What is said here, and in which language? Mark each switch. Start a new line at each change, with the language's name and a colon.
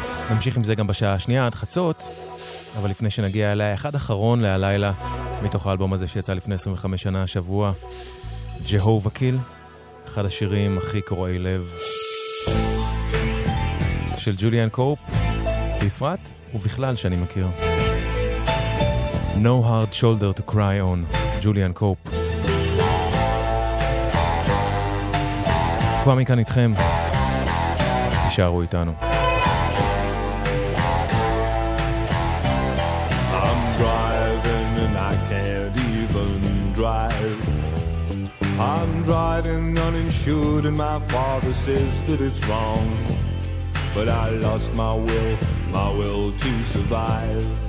Hebrew: נמשיך עם זה גם בשעה השנייה עד חצות. אבל לפני שנגיע אליה, אחד אחרון להלילה מתוך האלבום הזה שיצא לפני 25 שנה השבוע. ג'הובה קיל. אחד השירים הכי קוראי לב של ג'וליאן קורפ. בפרט ובכלל שאני מכיר.
English: No hard shoulder to cry on, ג'וליאן קורפ.
Hebrew: קוואמי כאן איתכם, תישארו איתנו.
English: I'm driving and I can't even drive. I'm driving uninsured and my father says that it's wrong. But I lost my will to survive.